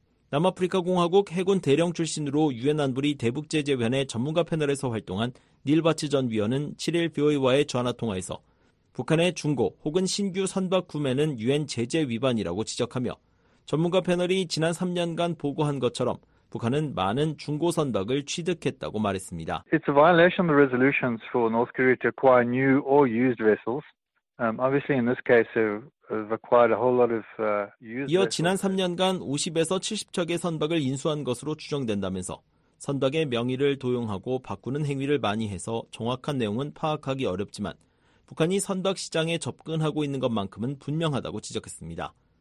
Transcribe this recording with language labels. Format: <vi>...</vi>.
<ko>남아프리카공화국 해군 대령 출신으로 유엔 안보리 대북제재위원회 전문가 패널에서 활동한 닐 바츠 전 위원은 7일 VOA와의 전화통화에서 북한의 중고 혹은 신규 선박 구매는 유엔 제재 위반이라고 지적하며 전문가 패널이 지난 3년간 보고한 것처럼 북한은 많은 중고 선박을 취득했다고 말했습니다.</ko> <en>It's a violation of the resolutions for North Korea to acquire new or used vessels. Obviously in this case they've acquired a whole lot of used.</en> <ko>이어 지난 3년간 50에서 70척의 선박을 인수한 것으로 추정된다면서 선박의 명의를 도용하고 바꾸는 행위를 많이 해서 정확한 내용은 파악하기 어렵지만 북한이 선박 시장에 접근하고 있는 것만큼은 분명하다고 지적했습니다.</ko>